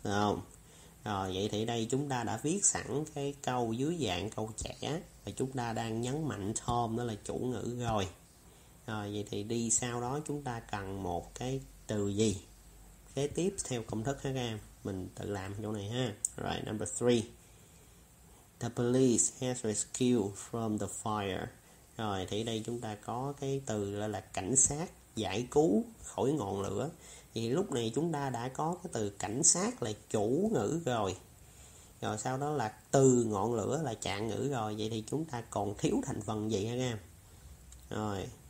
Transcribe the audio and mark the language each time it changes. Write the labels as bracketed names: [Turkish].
[Vietnamese] Nào, rồi vậy thì đây chúng ta đã viết sẵn cái câu dưới dạng câu trẻ và chúng ta đang nhấn mạnh Tom đó là chủ ngữ rồi. Rồi vậy thì đi sau đó chúng ta cần một cái từ gì kế tiếp theo công thức ha các em, mình tự làm chỗ này ha. [English] Rồi number 3, the police has rescued from the fire. [Vietnamese] Rồi thì đây chúng ta có cái từ đó là cảnh sát giải cứu khỏi ngọn lửa. Thì lúc này chúng ta đã có cái từ cảnh sát là chủ ngữ rồi, rồi sau đó là từ ngọn lửa là trạng ngữ rồi. Vậy thì chúng ta còn thiếu thành phần gì hả em? Rồi